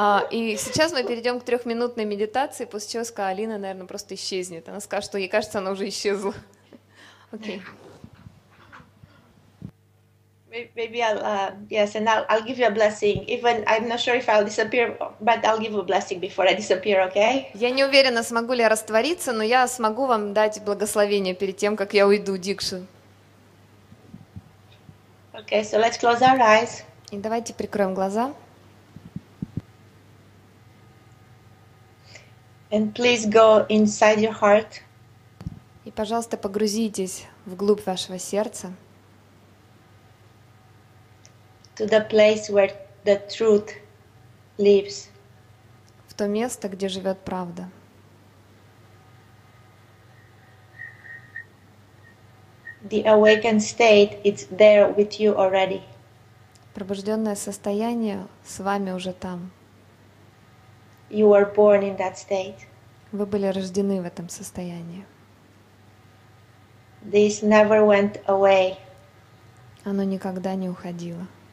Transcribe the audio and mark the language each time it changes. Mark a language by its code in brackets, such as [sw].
[ru] И сейчас мы перейдем к 3-минутной медитации, после чего скажет Алина, наверное, просто исчезнет. Она скажет, что ей кажется, она уже исчезла. Окей. [en] Maybe I'll yes, and I'll give you a blessing. Even I'm not sure if I'll disappear, but I'll give you a blessing before I disappear, okay? [ru] Я не уверена, смогу ли я раствориться, но я смогу вам дать благословение перед тем, как я уйду, Дикшу. [en] Okay, so let's close our eyes. [ru] И давайте прикроем глаза. [en] And please go inside your heart. [ru] И, пожалуйста, погрузитесь вглубь вашего сердца. [en] To the place where the truth lives. [ru] В то место, где живет правда. [en] The awakened state is there with you already. [ru] Пробужденное состояние с вами уже там. [en] You were born in that state. [ru] Вы были рождены в этом состоянии. [en] This never went away. [ru] Оно никогда не уходило.